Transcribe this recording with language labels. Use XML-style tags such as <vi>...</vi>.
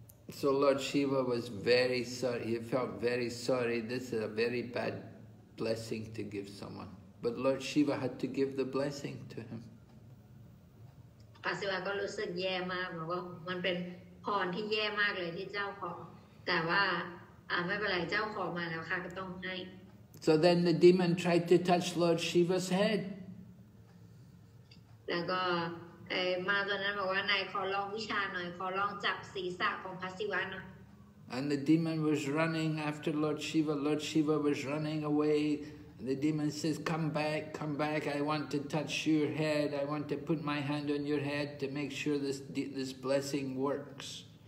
<en>So Lord Shiva was very sorry. He felt very sorry. This is a very bad blessing to give someone. But Lord Shiva had to give the blessing to him.</en> <th>พระศิวะก็รู้สึกแย่มากบอกว่ามันเป็นพรที่แย่มากเลยที่เจ้าขอแต่ว่าไม่เป็นไรเจ้าขอมาแล้วค่ะก็ต้องให้</th> <en>So then the demon tried to touch Lord Shiva's head</en> <th>แล้วก็มาตอนนั้นบอกว่านายขอลองวิชาหน่อยขอลองจับศีรษะของพระศิวะหน่อย</th> <en>And the demon was running after Lord Shiva. Lord Shiva was running away. The demon says, come back, I want to touch your head, I want to put my hand on your head to make sure this blessing works.</en>